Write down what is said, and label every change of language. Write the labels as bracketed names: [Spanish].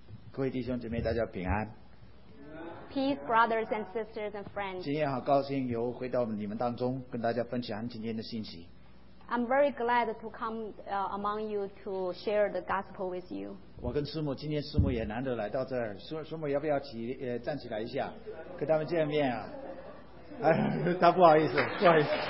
[Chinese] 各位弟兄姐妹，大家平安。 [English] Peace, brothers and sisters and friends. [Chinese] 今天好高兴又回到你们当中，跟大家分享今天的信息。 [English] I'm very glad to come among you to share the gospel with you. [Chinese] 我跟师母，今天师母也难得来到这儿，师母要不要起站起来一下，跟他们见面啊？哎，他不好意思，不好意思。